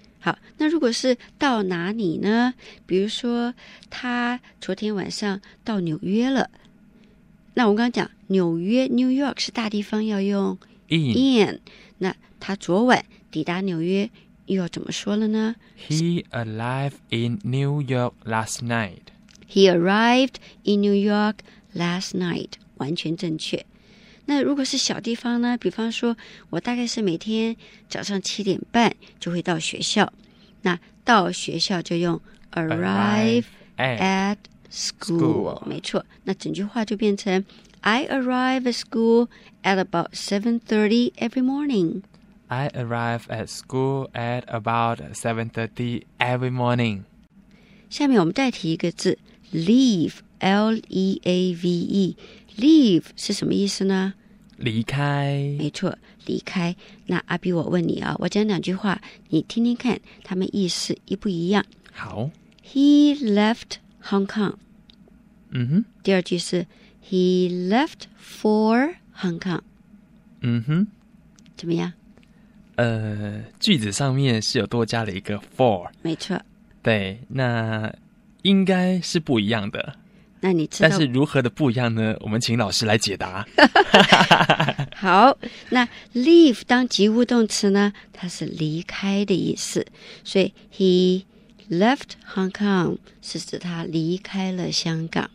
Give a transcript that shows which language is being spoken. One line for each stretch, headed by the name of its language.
Chinese: 好，那如果是到哪里呢？比如说，他昨天晚上到纽约了。那我刚刚讲纽约 New York 是大地方，要用
English: in。
Chinese: 那他昨晚抵达纽约，又要怎么说了呢？
English: He arrived in New York last night. He arrived in New York last night.
Chinese: 完全正确。那如果是小地方呢，比方说我大概是每天早上7:30就会到学校，那到学校就用
English: arrive at school。
Chinese: 没错，那整句话就变成
English: I arrive at school at about 7:30 every morning. I arrive at school at about 7:30 every morning.
Chinese: 下面我们再提一个字 leave, L-E-A-V-E。 leave 是什么意思呢？离开。没错，离开。那阿比，我问你啊，我讲两句话，你听听看他们意思一不一样。好。
English: He left Hong Kong. 嗯哼。
Chinese: 第二句是
English: He left for Hong Kong. 嗯哼。
Chinese: 怎么样？句子上面是有多加了一个 for。没错。对，那应该是不一样的。那你知道，但是如何的不一样呢？我们请老师来解答。好，那 leave 当及物动词呢，它是离开的意思，所以
English: he left Hong Kong
Chinese: 是指他离开了香港。